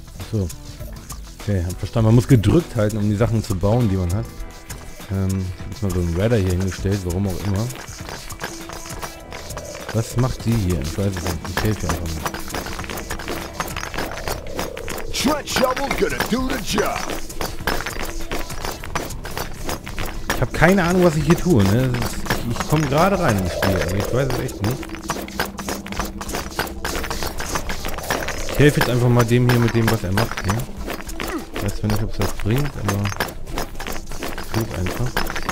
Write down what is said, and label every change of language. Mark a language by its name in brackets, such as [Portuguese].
[German] So. Okay, hab verstanden. Man muss gedrückt halten, um die Sachen zu bauen, die man hat. Ich hab jetzt mal so einen Radar hier hingestellt, warum auch immer. Was macht die hier? Ich weiß es nicht. Ich helfe einfach nicht. [English] Trent Shovel's gonna do the job. [German] Ich hab keine Ahnung, was ich hier tue, ne? Ich komme gerade rein ins Spiel, aber ich weiß es echt nicht. Ich helfe jetzt einfach mal dem hier mit dem, was er macht. Ne? Weiß zwar nicht, ob es das bringt, aber es geht einfach.